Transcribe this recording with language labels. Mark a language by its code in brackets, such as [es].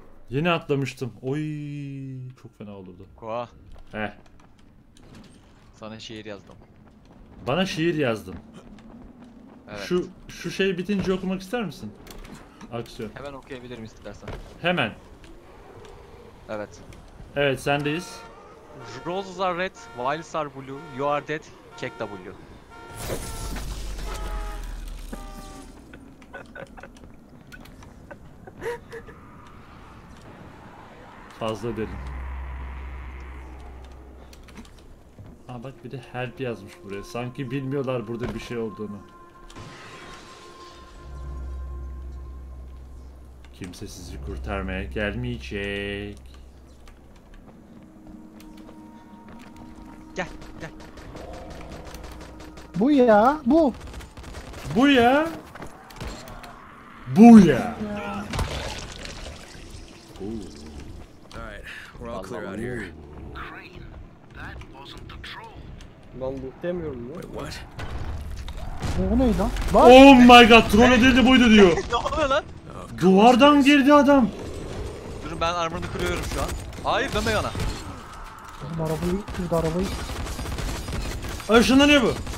[tr] Yeni atlamıştım. Oy, çok fena olurdu. Koa. He. Sana şiir yazdım. Bana şiir yazdım. Evet. Şu şey bitince okumak ister misin? Aksiyon. Hemen okuyabilirim istersen. Hemen. Evet. Evet, sendeyiz. [en] Roses are red, violets are blue, you are dead. Check W. [tr] Fazla derin. Aa bak, bir de help yazmış buraya. Sanki bilmiyorlar burada bir şey olduğunu. Kimse sizi kurtarmaya gelmeyecek. Gel, gel. Bu ya, bu. Bu ya. Bu ya. Ooh. [en] All right, we're all clear out here. Crane, that wasn't the troll. [tr] Ben bu demiyorum ya. [en] Wait, what? [tr] Bu neydi lan? [en] Oh my god, [tr] troll dedi buydu diyor. Ne oluyor lan? Duvardan girdi adam. Durun, ben armorunu kırıyorum şu an. Hayır, deme yana. Oğlum arabayı, kırdı arabayı. Işınlar ne bu?